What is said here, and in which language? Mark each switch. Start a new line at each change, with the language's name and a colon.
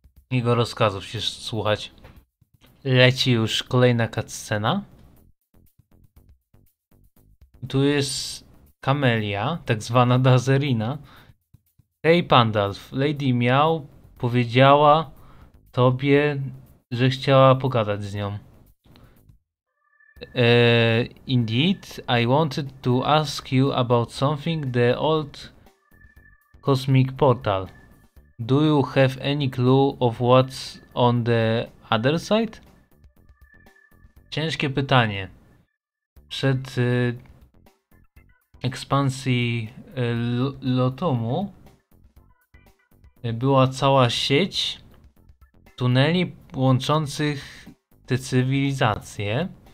Polish: jego rozkazów się słuchać. Leci już kolejna cutscena. Tu jest... Camellia, tak zwana Dazzerina. Hej Pandalf, Lady Miao powiedziała... tobie, że chciała pogadać z nią.
English: Indeed, I wanted to ask you about something, the old cosmic portal. Do you have any clue of what's on the other side?
Polish: Ciężkie pytanie. Przed ekspansji Lotumu była cała sieć tuneli łączących te cywilizacje.